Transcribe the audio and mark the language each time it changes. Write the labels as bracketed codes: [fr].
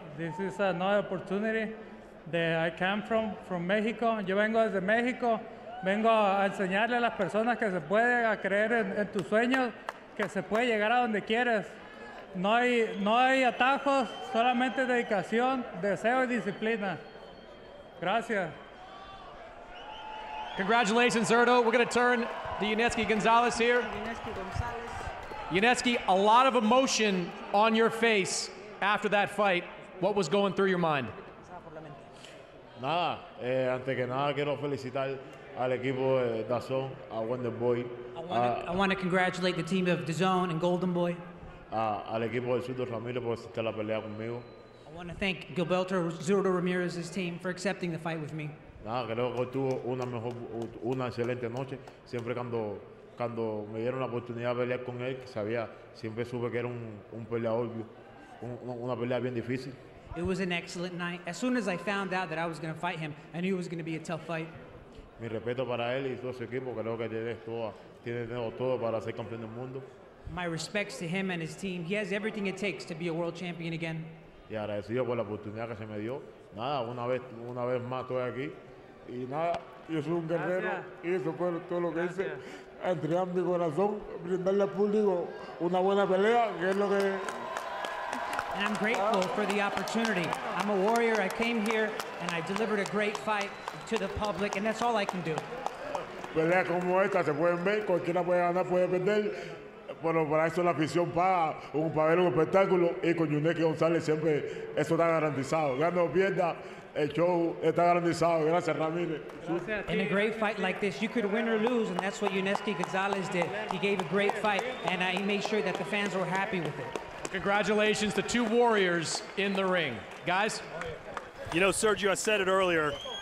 [en] This is another opportunity that I came from Mexico. [es] Yo vengo desde Mexico. Vengo a enseñarle a las personas que se puede a creer en tus sueños, que se puede llegar a donde quieres. No hay atajos, solamente dedicación, deseo y disciplina. Gracias. [en] Congratulations, Zurdo. We're going to turn to Yunieski Gonzalez here. Yunieski Gonzalez. Yunieski, a lot of emotion on your face after that fight. What was going through your mind? [es] Nada. Antes que nada, quiero felicitar al equipo de Dazn, a Wonder Boy. [en] I want to congratulate the team of Dazn and Golden Boy. [es] Al equipo de Zurdo Ramirez por aceptar la pelea conmigo. [en] I want to thank Gilberto Zurdo Ramirez's team for accepting the fight with me. [es] Nada, creo que tuvo una excelente noche. Siempre cuando me dieron la oportunidad de pelear con él, siempre supe que era un peleador, una pelea bien difícil. [en] It was an excellent night. As soon as I found out that I was going to fight him, I knew it was going to be a tough fight. [es] Mi respeto para él y todo su equipo, creo que tiene todo para ser campeón del mundo. [en] My respects to him and his team. He has everything it takes to be a world champion again. [es] Y agradecido por la oportunidad que se me dio. Nada, una vez más estoy aquí. Y nada, yo soy un guerrero. Gracias. Y eso fue todo lo que hice. Entregar mi corazón, brindarle al público una buena pelea, que es lo que... [en] And I'm grateful for the opportunity. I'm a warrior, I came here, and I delivered a great fight to the public, and that's all I can do. [es] Peleas como esta se pueden ver, cualquiera puede ganar, puede perder. Bueno, para eso la afición paga, para ver un espectáculo, y con Yunieski González siempre eso está garantizado. Gano o pierda, el show está garantizado. Gracias, Ramírez. [en] In a great fight like this, you could win or lose, and that's what Yunieski Gonzalez did. He gave a great fight, and he made sure that the fans were happy with it. Congratulations to two warriors in the ring. Guys? You know, Sergio, I said it earlier.